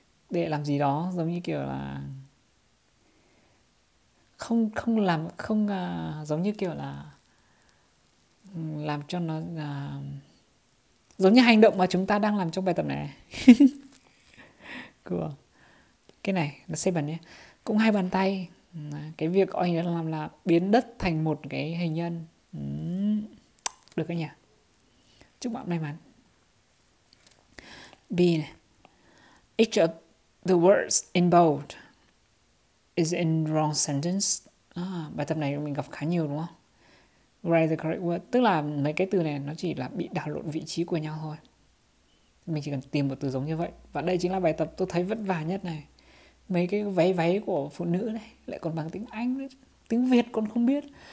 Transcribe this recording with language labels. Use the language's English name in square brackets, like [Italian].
[Vietnamese] Để làm gì đó giống như kiểu là không không làm không giống như kiểu là làm cho nó giống như hành động mà chúng ta đang làm trong bài tập này. Cool. Cái này nó xếp bàn nhé, cũng hai bàn tay. Cái việc anh đang làm là biến đất thành một cái hình nhân. Được cái nhỉ, chúc bạn may mắn. B này. [English] Each of the words in bold is in wrong sentence. [Vietnamese] À, bài tập này mình gặp khá nhiều đúng không? [English] Write the correct word. [Vietnamese] Tức là mấy cái từ này nó chỉ là bị đảo lộn vị trí của nhau thôi. Mình chỉ cần tìm một từ giống như vậy. Và đây chính là bài tập tôi thấy vất vả nhất này. Mấy cái váy váy của phụ nữ này lại còn bằng tiếng Anh nữa. Tiếng Việt còn không biết.